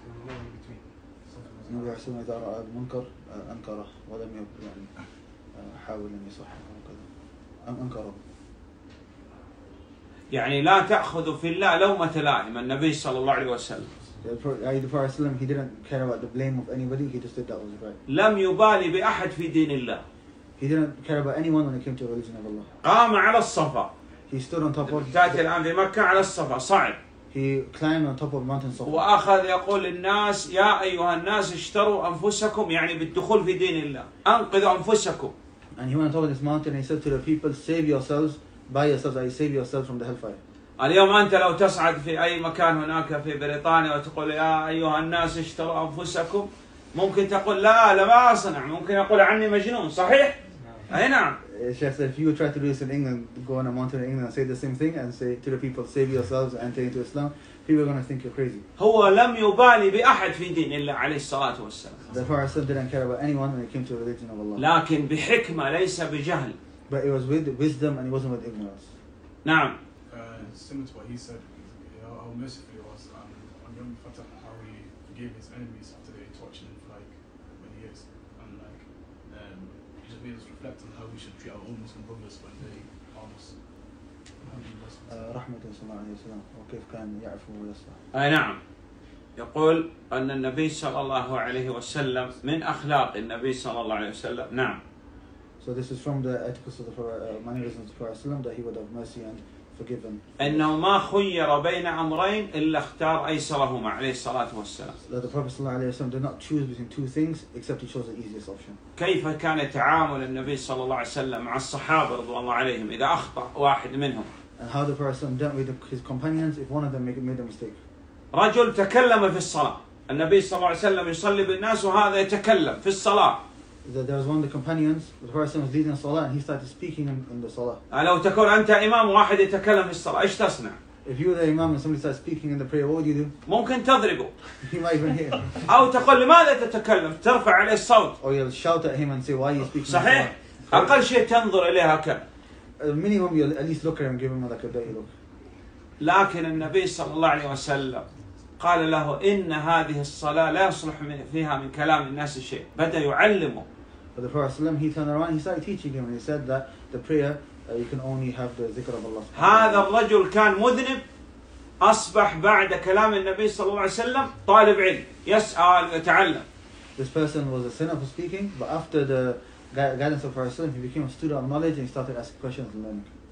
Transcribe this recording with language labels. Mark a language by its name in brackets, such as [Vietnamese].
[Arabic] النبي صلى الله عليه وسلم إذا رأى المنكر أنكره ولم يبقى يعني حاول أن يصححه وكذا أم أنكره. يعني لا تأخذ في الله لومة لائم. النبي صلى الله عليه وسلم. [English] The Prophet صلى الله عليه وسلم he didn't care about the blame of anybody. He just did that was right. [Arabic] لم يبالي بأحد في دين الله. [English] He didn't care about anyone when it came to religion of Allah. [Arabic] قام على الصفا. [English] He stood on top of. [Arabic] تأتي الآن في مكة على الصفا صعب. [English] He climbed on top of mountain Safa. [Arabic] وأخذ يقول للناس يا أيها الناس اشتروا أنفسكم، يعني بالدخول في دين الله أنقذوا أنفسكم. [English] And he went on top of this mountain and he said to the people save yourselves by yourself, I save yourself from the hellfire. [Arabic] اليوم أنت لو تصعد في أي مكان هناك في بريطانيا وتقول يا أيها الناس اشتروا أنفسكم، ممكن تقول لا لا ما أصنع، ممكن أقول عني مجنون، صحيح؟ أي نعم. [English] Chef, if you try to do this in England, go on a mountain in England and say the same thing and say to the people, save yourselves and take it to Islam, people are going to think you're crazy. [Arabic] هو لم يبالي بأحد في دين إلا عليه الصلاة والسلام. [English] The Prophet didn't care about anyone when it came to the religion of Allah. [Arabic] لكن بحكمة ليس بجهل. [English] But it was with wisdom and it wasn't with ignorance. [Arabic] نعم. [English] Similar to what he said, how merciful he was on Yom Fatah, how he forgave his enemies after they tortured him for like many years, and like it just made us reflect on how we should treat our own Muslim brothers when they harm us. [Arabic] رحمه صلى الله عليه وسلم وكيف كان يعفو ويصفح. نعم. يقول أن النبي صلى الله عليه وسلم من أخلاق النبي صلى الله عليه وسلم. نعم. [English] So this is from the ethics of the Prophet ﷺ that he would have mercy and [Arabic] إنه ما خير بين أمرين إلا اختار أيسرهما عليه الصلاة والسلام. [English] The Prophet صلى الله عليه وسلم did not choose between two things except he chose the easiest option. [Arabic] كيف كان تعامل النبي صلى الله عليه وسلم مع الصحابة رضي الله عليهم إذا أخطأ واحد منهم؟ [English] And how the Prophet صلى الله عليه وسلم dealt with his companions if one of them made a mistake. [Arabic] رجل تكلم في الصلاة، النبي صلى الله عليه وسلم يصلي بالناس وهذا يتكلم في الصلاة. [English] That there was one of the companions, the person was leading the salah, and he started speaking in the salah. [Arabic] لو تكون أنت إمام واحد يتكلم في الصلاة، إيش تصنع؟ [English] If you were the imam and somebody starts speaking in the prayer, what would you do? [Arabic] ممكن تضربه. [English] He might even hear. [Arabic] أو تقول لماذا تتكلم؟ ترفع عليه الصوت. [English] Or you'll shout at him and say, why are you speaking? [Arabic] صحيح. أقل شيء تنظر إليه هكذا. [English] Minimum you'll at least look at him, give him like a dirty look. [Arabic] لكن النبي صلى الله عليه وسلم قال له إن هذه الصلاة لا يصلح فيها من كلام الناس شيء. بدأ يعلمه. [English] But the Prophet ﷺ, he turned around, he started teaching him, and he said that the prayer, you can only have the zikr of Allah. [Arabic] هذا الرجل كان مذنب، أصبح بعد كلام النبي صلى الله عليه وسلم طالب علم، يسأل ويتعلم. [English] This person was a sinner for speaking, but after the guidance of Prophet ﷺ, he became a student of knowledge and he started asking questions and learning.